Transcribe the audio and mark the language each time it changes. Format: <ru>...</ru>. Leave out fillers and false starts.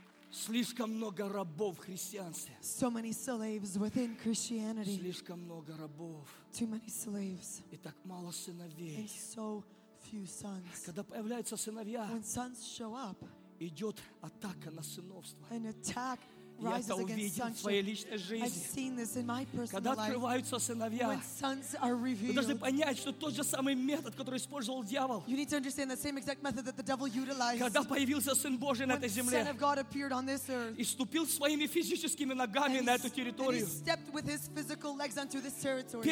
<ru>Слишком много рабов в христианстве.</ru> <en>So many slaves within Christianity.</en> <ru>Слишком много рабов.</ru> <en>Too many slaves.</en> <ru>И так мало сыновей.</ru> <en>And so few sons.</en> <ru>Когда появляются сыновья,</ru> <en>when sons show up,</en> <ru>идет атака на сыновство.</ru> <en>An attack rises against sonship.</en> <ru>В своей личной жизни.</ru> <en>I've seen this in my personal</en> <ru>когда открываются</ru> <en>life,</en> <ru>сыновья,</ru> <en>when sons are revealed,</en> <ru>вы должны понять, что тот же самый метод, который использовал дьявол,</ru> <en>you need to understand the same exact method that the devil utilized,</en> <ru>когда появился Сын Божий на этой земле,</ru> <en>when the Son of God appeared on this earth,</en> <ru>и ступил своими физическими ногами на эту территорию,</ru> <en>and he stepped with his physical legs onto this territory.</en>